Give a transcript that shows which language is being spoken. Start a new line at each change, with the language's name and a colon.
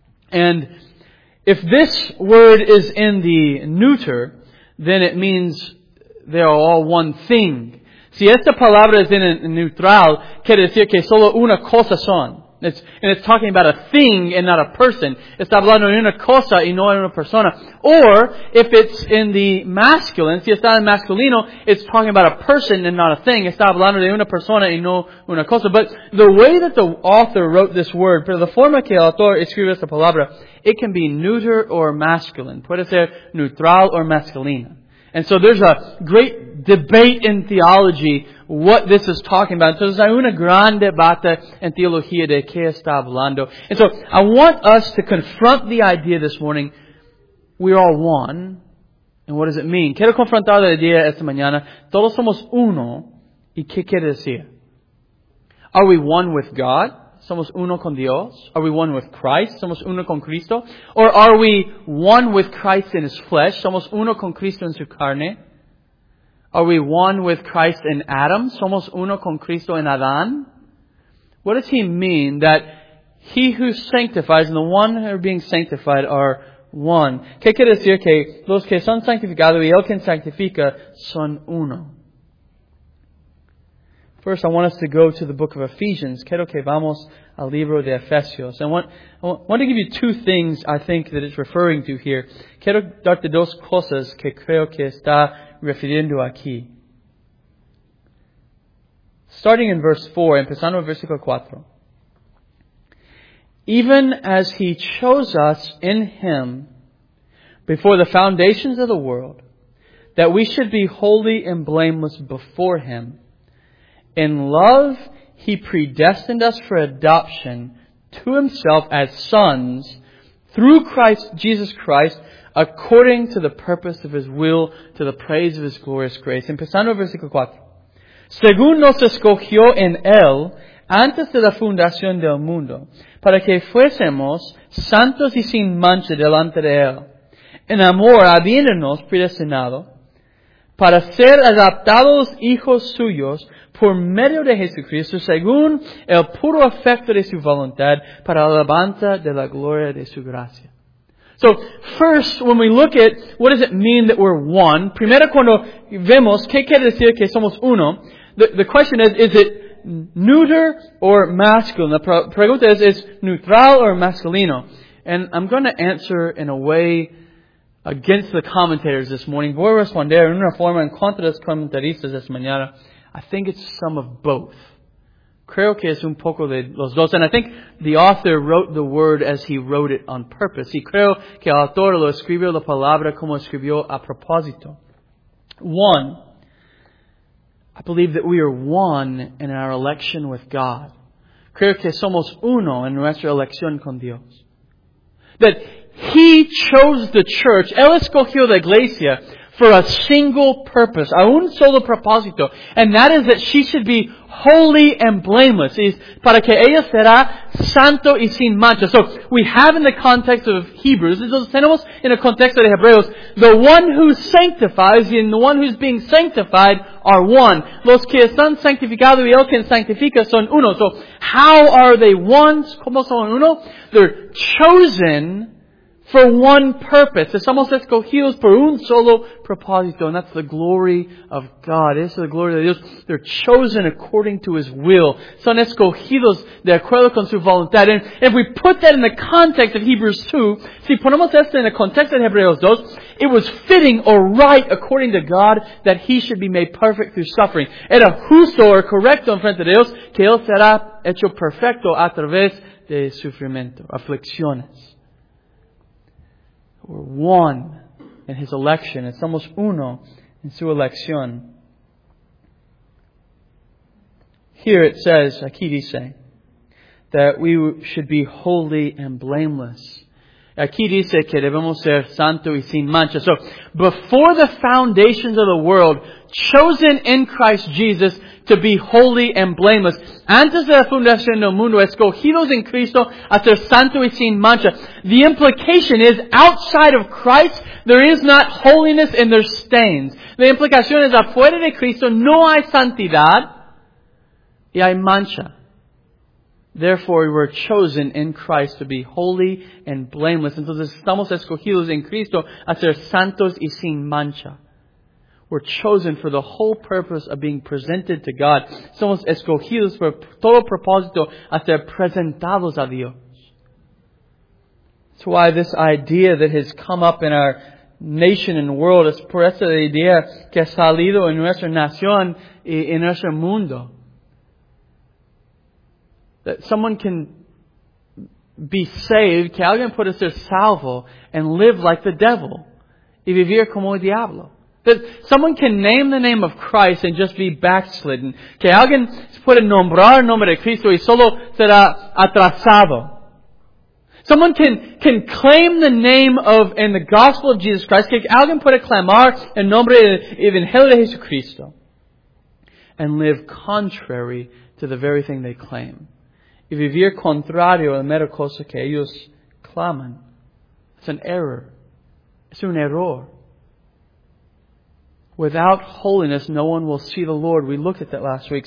English: And if this word is in the neuter, then it means they are all one thing.
Spanish: Si esta palabra es en neutral, quiere decir que solo una cosa son.
English: It's talking about a thing and not a person.
Spanish: Está hablando de una cosa y no de una persona.
English: Or, if it's in the masculine,
Spanish: si está en masculino,
English: it's talking about a person and not a thing.
Spanish: Está hablando de una persona y no una cosa.
English: But the way that the author wrote this word,
Spanish: pero la forma que el autor escribe esta palabra,
English: it can be neuter or masculine.
Spanish: Puede ser neutral or masculina.
English: And so there's a great debate in theology what this is talking about.
Spanish: Entonces hay una gran debate en teología de qué está hablando.
English: And so I want us to confront the idea this morning, we're all one, and what does it mean?
Spanish: Quiero confrontar la idea esta mañana, todos somos uno, ¿y qué quiere decir?
English: Are we one with God?
Spanish: Somos uno con Dios?
English: Are we one with Christ?
Spanish: Somos uno con Cristo?
English: Or are we one with Christ in His flesh?
Spanish: Somos uno con Cristo en su carne?
English: Are we one with Christ in Adam?
Spanish: Somos uno con Cristo en Adán?
English: What does he mean that he who sanctifies and the one who are being sanctified are one?
Spanish: ¿Qué quiere decir que los que son sanctificados y el que sanctifica son uno?
English: First, I want us to go to the book of Ephesians.
Spanish: Quiero que vamos al libro de Efesios.
English: I want to give you two things I think that it's referring to here.
Spanish: Quiero darte dos cosas que creo que está refiriendo aquí.
English: Starting in verse 4,
Spanish: empezando en versículo 4.
English: Even as He chose us in Him before the foundations of the world, that we should be holy and blameless before Him, in love, He predestined us for adoption to Himself as sons through Christ Jesus Christ, according to the purpose of His will, to the praise of His glorious grace.
Spanish: Empezando en versículo 4. Según nos escogió en Él antes de la fundación del mundo, para que fuésemos santos y sin mancha delante de Él, en amor habiéndonos predestinado para ser adoptados hijos suyos por medio de Jesucristo, según el puro afecto de su voluntad, para alabanza de la gloria de su gracia.
English: So, first, when we look at what does it mean that we're one,
Spanish: primero cuando vemos, ¿qué quiere decir que somos uno?
English: The question is it neuter or masculine?
Spanish: La pregunta es neutral or masculino?
English: And I'm going to answer in a way against the commentators this morning.
Spanish: Voy a responder en una forma en contra de los comentaristas esta mañana.
English: I think it's some of both.
Spanish: Creo que es un poco de los dos.
English: And I think the author wrote the word as he wrote it on purpose.
Spanish: Y creo que el autor lo escribió la palabra como escribió a propósito.
English: One, I believe that we are one in our election with God.
Spanish: Creo que somos uno en nuestra elección con Dios.
English: That He chose the church.
Spanish: Él escogió la iglesia
English: for a single purpose,
Spanish: a un solo propósito,
English: and that is that she should be holy and blameless.
Spanish: Es para que ella será santo y sin mancha.
English: So we have in the context of Hebrews,
Spanish: entonces tenemos en el contexto de Hebreos,
English: the one who sanctifies and the one who's being sanctified are one.
Spanish: Los que están sanctificados y el que sanctifica son uno.
English: So how are they one?
Spanish: ¿Cómo son uno?
English: They're chosen for one purpose.
Spanish: Estamos escogidos por un solo propósito.
English: And that's the glory of God.
Spanish: Es la gloria de Dios.
English: They're chosen according to His will.
Spanish: Son escogidos de acuerdo con su voluntad.
English: And if we put that in the context of Hebrews 2,
Spanish: si ponemos esto en el contexto de Hebreos 2,
English: it was fitting or right according to God that He should be made perfect through suffering.
Spanish: Era justo or correcto en frente de Dios que Él será hecho perfecto a través de sufrimiento, aflicciones.
English: We're one in His election.
Spanish: Estamos uno en su elección.
English: Here it says,
Spanish: aquí dice,
English: that we should be holy and blameless.
Spanish: Aquí dice que debemos ser santo y sin mancha.
English: So, before the foundations of the world, chosen in Christ Jesus to be holy and blameless.
Spanish: Antes de la fundación del mundo, escogidos en Cristo a ser santo y sin mancha.
English: The implication is, outside of Christ, there is not holiness and there's stains. The implication is,
Spanish: afuera de Cristo, no hay santidad y hay mancha.
English: Therefore, we were chosen in Christ to be holy and blameless.
Spanish: Entonces, estamos escogidos en Cristo a ser santos y sin mancha.
English: We're chosen for the whole purpose of being presented to God.
Spanish: Somos escogidos por todo propósito a ser presentados a Dios.
English: That's why this idea that has come up in our nation and world is
Spanish: por esa idea que ha salido en nuestra nación y en nuestro mundo.
English: That someone can be saved,
Spanish: que alguien puede ser salvo,
English: and live like the devil,
Spanish: y vivir como el diablo.
English: That someone can name the name of Christ and just be backslidden.
Spanish: Que alguien puede nombrar el nombre de Cristo y solo será atrasado.
English: Someone can claim the name of and the gospel of Jesus Christ.
Spanish: Que alguien puede clamar el nombre del Evangelio de Jesucristo.
English: And live contrary to the very thing they claim.
Spanish: Y vivir contrario a la mera cosa que ellos claman.
English: It's an error. It's
Spanish: un error.
English: Without holiness, no one will see the Lord. We looked at that last week.